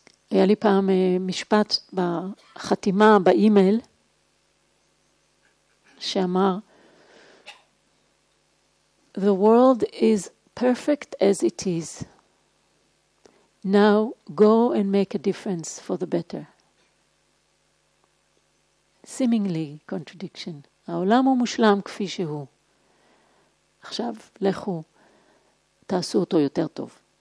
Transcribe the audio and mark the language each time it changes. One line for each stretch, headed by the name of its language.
Hebrew: היה לי פעם משפט בחתימה, באימייל, שאמר,
English: "The world is perfect as it is. Now go and make a difference for the better." Seemingly contradiction.
Hebrew: העולם הוא מושלם כפי שהוא. עכשיו, לכו, תעשו אותו יותר טוב.